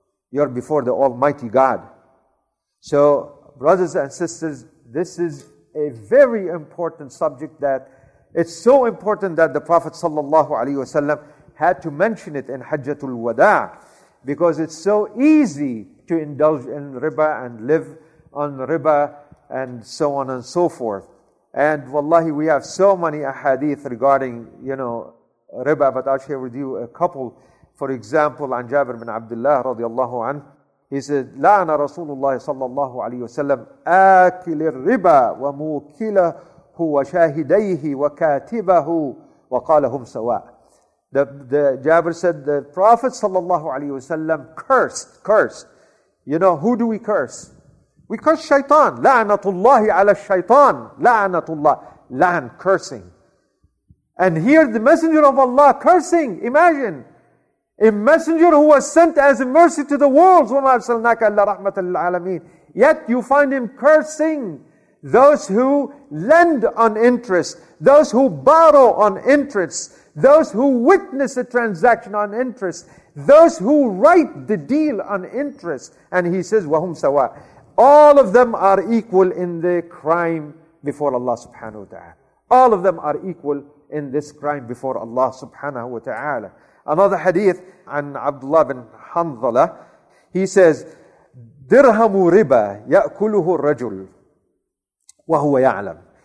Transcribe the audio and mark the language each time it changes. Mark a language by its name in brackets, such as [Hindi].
[English] You're before the Almighty God. So, brothers and sisters, this is a very important subject that it's so important that the Prophet sallallahu alaihi wasallam had to mention it in Hajjatul Wada, because it's so easy to indulge in riba and live on riba and so on and so forth. And wallahi, we have so many ahadith regarding, you know, riba, but I'll share with you a couple. For example, an Jabir bin Abdullah radiyallahu anhu, he said, [Arabic] لَعَنَ رَسُولُ اللَّهِ صَلَّى اللَّهُ عَلَيْهِ وَسَلَّمْ آكِلِ الرِّبَى وَمُوكِلَهُ وَشَاهِدَيْهِ وَكَاتِبَهُ وَقَالَ هُمْ سَوَاءٌ. [English] The Jabir said, the Prophet sallallahu alayhi wa sallam cursed. You know, who do we curse? We curse shaitan. [Arabic] لَعْنَةُ اللَّهِ عَلَى الشَّيْطَانِ. لَعْنَةُ اللَّهِ. [English] Lan, cursing. And here the Messenger of Allah cursing. Imagine. A messenger who was sent as a mercy to the world, [Arabic] وَمَا أَرْسَلْنَاكَ إِلَّا رَحْمَةً لِلْعَالَمِينَ. [English] Yet you find him cursing those who lend on interest, those who borrow on interest, those who witness a transaction on interest, those who write the deal on interest. And he says, [Arabic] وَهُمْ سَوَاءٌ. [English] All of them are equal in the crime before Allah subhanahu wa ta'ala. All of them are equal in this crime before Allah subhanahu wa ta'ala. Another hadith [Arabic] عن عبد الله بن حنظلة, [English] he says, [Arabic] درهم ربا يأكله الرجل وهو يعلم.